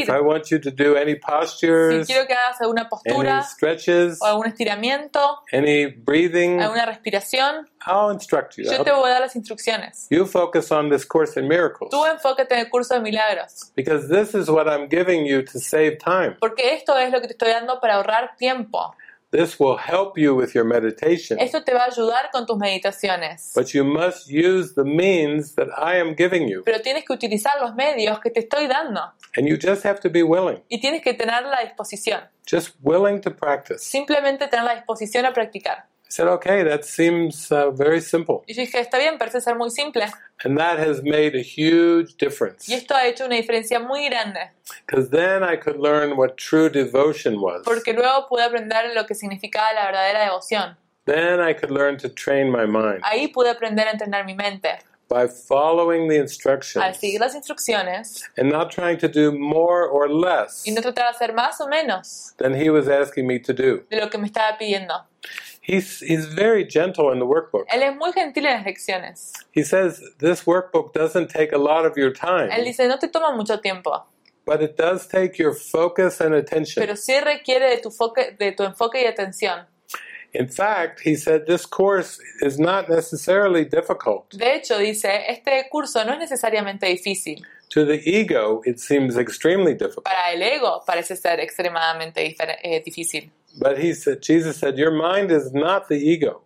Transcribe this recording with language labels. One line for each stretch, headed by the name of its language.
English: If I want you to do any postures.
Spanish: Si quiero que hagas alguna postura.
English: Any stretches.
Spanish: O algún estiramiento.
English: Any breathing.
Spanish: Alguna respiración.
English: I'll instruct you.
Spanish: Yo te voy a dar las instrucciones.
English: You focus on this course in miracles.
Spanish: Tú enfócate en el curso de milagros.
English: Because this is what I'm giving you to save time.
Spanish: Porque esto es lo que te estoy dando para ahorrar tiempo.
English: This will help you with your meditation.
Spanish: Esto te va a ayudar con tus meditaciones.
English: But you must use the means that I am giving you.
Spanish: Pero tienes que utilizar los medios que te estoy dando.
English: And you just have to be willing.
Spanish: Y tienes que tener la disposición.
English: Just willing to practice.
Spanish: Simplemente tener la disposición a practicar.
English: I said, okay, that seems very simple.
Spanish: Y dije, está bien, parece ser muy simple.
English: And that has made a huge difference.
Spanish: Y esto ha hecho una diferencia muy grande.
English: Because then I could learn what true devotion was.
Spanish: Porque luego pude aprender lo que significaba la verdadera devoción.
English: Then I could learn to train my mind.
Spanish: Ahí pude aprender a entrenar mi mente.
English: By following the instructions.
Spanish: Al seguir las instrucciones.
English: And not trying to do more or less.
Spanish: Y no tratar de hacer más o menos.
English: Than he was asking me to do.
Spanish: De lo que me estaba pidiendo.
English: He's very gentle in the workbook.
Spanish: Él es muy gentil en las lecciones.
English: He says this workbook doesn't take a lot of your time.
Spanish: Él dice no te toma mucho tiempo.
English: But it does take your focus and attention.
Spanish: Pero sí requiere de tu enfoque y atención.
English: In fact, he said this course is not necessarily difficult.
Spanish: De hecho, dice este curso no es necesariamente difícil.
English: To the ego, it seems extremely difficult.
Spanish: Para el ego parece ser extremadamente difícil.
English: But he said, Jesus said, your mind is not the ego.